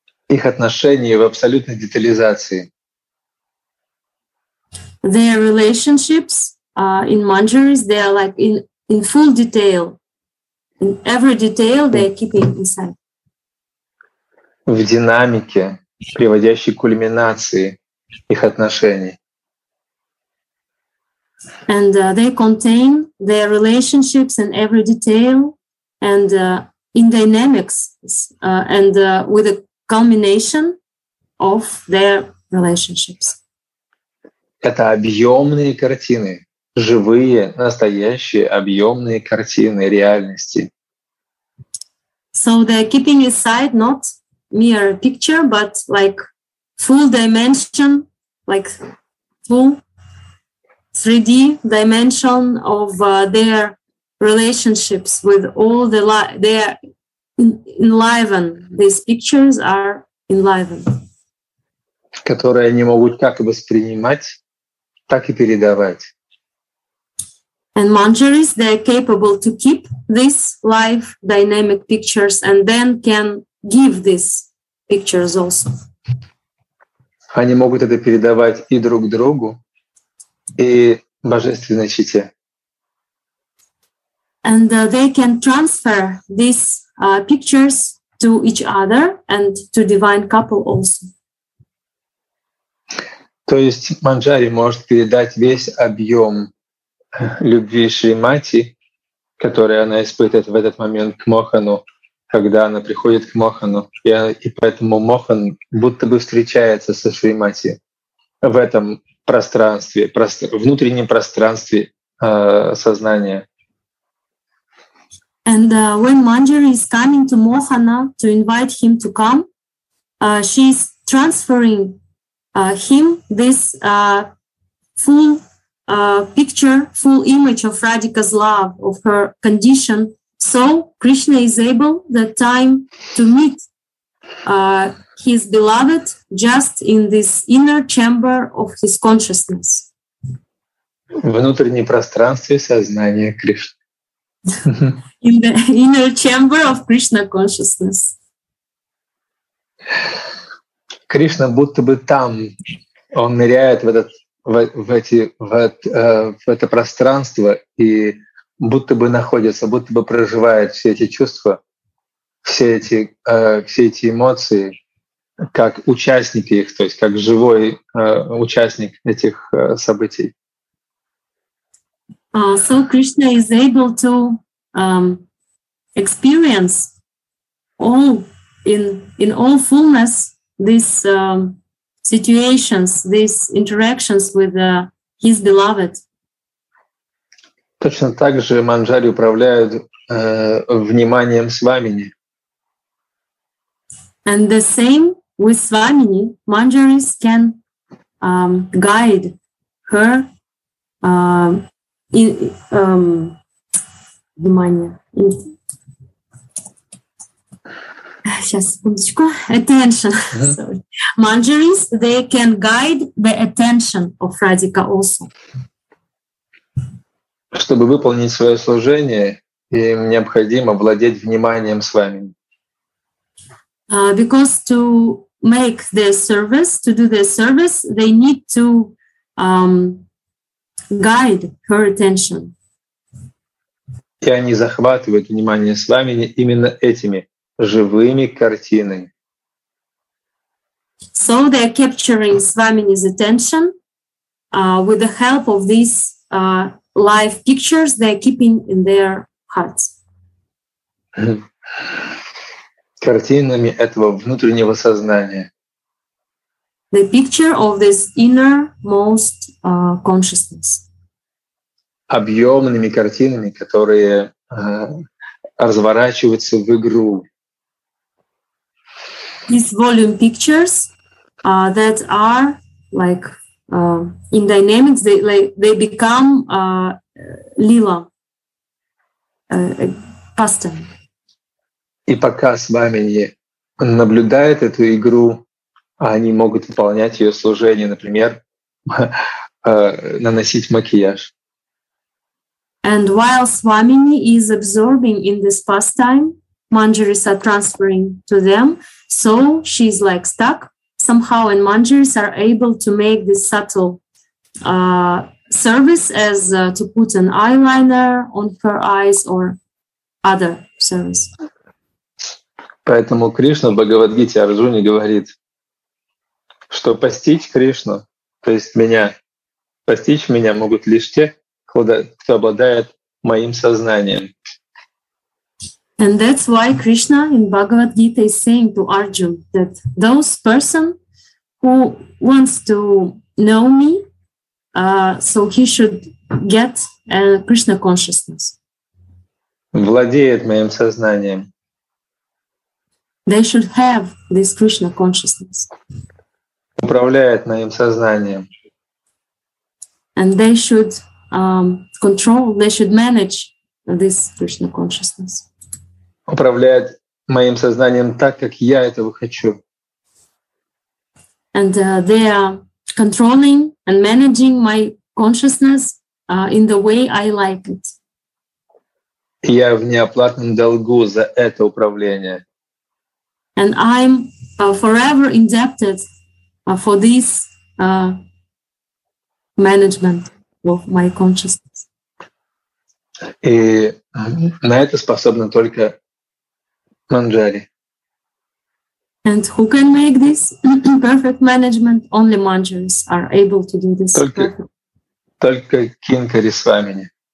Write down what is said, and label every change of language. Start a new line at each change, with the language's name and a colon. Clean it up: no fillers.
Russian: Их отношения в абсолютной детализации.
English: Their relationships in Manjaris, they are like in full detail. In every detail they are keeping inside.
Russian: В динамике, приводящей к кульминации их отношений.
English: And they contain their relationships in every detail and in dynamics and with a culmination of their relationships.
Russian: Это объемные картины, живые, настоящие объемные картины реальности.
English: So they're keeping inside not mere picture, but like full dimension, like full 3D dimension of their relationships with all the they are enlivened. These pictures are enlivened.
Russian: Которые они могут как воспринимать, так и передавать.
English: And Manjaris, they are capable to keep this live dynamic pictures and then can give these pictures also.
Russian: Они могут это передавать и друг другу, и божественной чите.
English: And they can transfer these pictures to each other and to divine couple also.
Russian: То есть Манджари может передать весь объем любви Шримати, который она испытывает в этот момент к Мохану, когда она приходит к Мохану, и поэтому Мохан будто бы встречается со Шримати в этом пространстве, внутреннем пространстве сознания.
English: And when Manjari is coming to Mohana to invite him to come, she's transferring him this full picture, full image of Radhika's love, of her condition. So Krishna is able that time to meet his beloved just in this inner chamber of his consciousness.
Russian: Внутреннее пространство сознания Кришны.
English: In the inner chamber of Krishna consciousness.
Russian: Кришна будто бы там, он ныряет в этот, в это пространство и будто бы находится, будто бы проживает все эти чувства, все эти эмоции, как участники их, то есть как живой участник этих событий.
English: So Krishna is able to experience all in all fullness these situations, these interactions with his beloved.
Russian: Точно так же Манджари управляют вниманием Свамини.
English: And the same with Свамини, Манджарис can guide her. Attention. Sorry. Manjaris, they can guide the attention of Radhika also.
Russian: Чтобы выполнить свое служение, им необходимо владеть вниманием с вами.
English: Because to make their service, to do their service, they need to guide her attention.
Russian: И они захватывают внимание с вами именно этими живыми картинами.
English: So they're capturing Swamini's attention with the help of these live pictures they're keeping in their hearts.
Russian: Картинами этого внутреннего сознания.
English: The picture of this innermost consciousness.
Russian: Объемными картинами, которые разворачиваются в игру.
English: These volume pictures that are like in dynamics, they like they become lila, pastime.
Russian: И пока с вами не наблюдает эту игру, они могут выполнять ее служение, например, наносить макияж.
English: And while Swamini is absorbing in this pastime, Manjaris are transferring to them, so she's like stuck somehow, and Manjaris are able to make this subtle service as to put an eyeliner on her eyes or other service.
Russian: Поэтому Кришна в Бхагавад-гите Арджуне говорит, что постичь Кришну, то есть меня, постичь меня могут лишь те, кто обладает моим сознанием.
English: And that's why Krishna in Bhagavad Gita is saying to Arjuna that those person who wants to know me, so he should get a Krishna consciousness.
Russian: Владеет моим сознанием.
English: They should have this Krishna consciousness.
Russian: Управляет моим сознанием.
English: And they should control, they should manage this Krishna consciousness.
Russian: Управляет моим сознанием так, как я этого хочу.
English: And they are controlling and managing my consciousness in the way I like it.
Russian: Я в неоплатном долгу за это управление.
English: And I'm forever indebted for this management of my consciousness.
Russian: И на это способна только Манджари.
English: And who can make this perfect management? Only Manjaris are able to do this.
Russian: Только Кинкари Свамини.